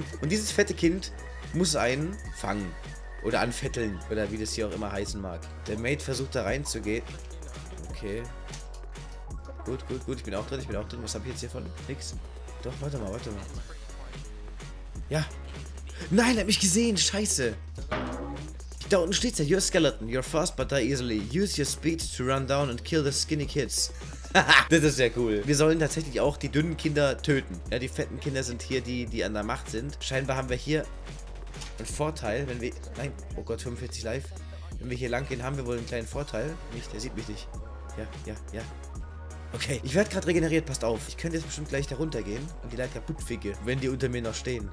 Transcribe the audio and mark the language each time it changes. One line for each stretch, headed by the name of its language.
German: Und dieses fette Kind muss einen fangen. Oder anfetteln. Oder wie das hier auch immer heißen mag. Der Mate versucht da reinzugehen. Okay. Gut, gut, gut. Ich bin auch drin. Ich bin auch drin. Was hab ich jetzt hier von? Nix. Doch, warte mal, warte mal. Ja. Nein, er hat mich gesehen. Scheiße. Da unten steht's ja.
English: You're a skeleton. You're fast but die easily. Use your speed to run down and kill the skinny kids.
German: Das ist ja cool. Wir sollen tatsächlich auch die dünnen Kinder töten. Ja, die fetten Kinder sind hier die an der Macht sind. Scheinbar haben wir hier ein Vorteil, wenn wir... Nein, oh Gott, 45 live. Wenn wir hier lang gehen, haben wir wohl einen kleinen Vorteil. Nicht, der sieht mich nicht. Ja, ja, ja. Okay, ich werde gerade regeneriert, passt auf. Ich könnte jetzt bestimmt gleich da runtergehen und die Leute kaputt ficken, wenn die unter mir noch stehen.